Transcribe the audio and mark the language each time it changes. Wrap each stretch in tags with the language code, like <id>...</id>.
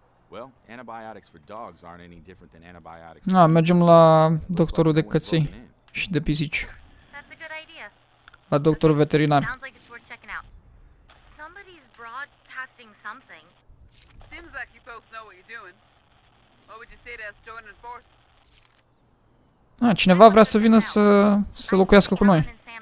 <en>Well, antibiotics for dogs aren't any different than antibiotics.</en> <ro>Na, mergem la doctorul de căței și de pisici.</ro> <en>That's a good idea.</en> <ro>La doctorul veterinar.</ro> <en>Sounds like it's worth checking out. Somebody's broadcasting something. Seems like you folks know what you're doing. What would you say to us joining forces?</en> <ro>Ah, cineva vrea să vină să locuiască cu noi.</ro>